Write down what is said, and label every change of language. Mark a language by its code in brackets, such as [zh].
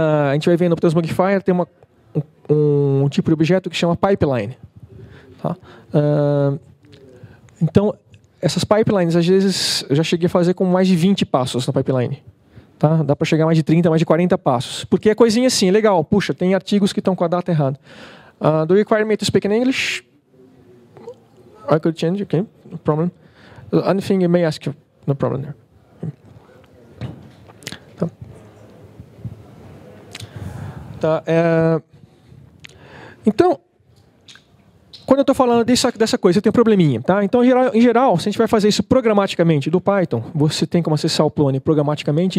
[pt] A gente vai vendo no Transmogrifier, tem um tipo de objeto que chama pipeline. Tá? Então, essas pipelines, às vezes, eu já cheguei a fazer com mais de 20 passos na pipeline. Tá? Dá para chegar mais de 30, mais de 40 passos. Porque é coisinha assim, é legal. Puxa, tem artigos que estão com a data errada. [en] Do requirement to speak in English? I could change, okay, no problem. Anything you may ask, no problem there. [pt] Tá. Tá, então, quando eu estou falando dessa coisa, eu tenho um probleminha. Tá? Então, em geral, se a gente vai fazer isso programaticamente do Python, você tem como acessar o Plone programaticamente.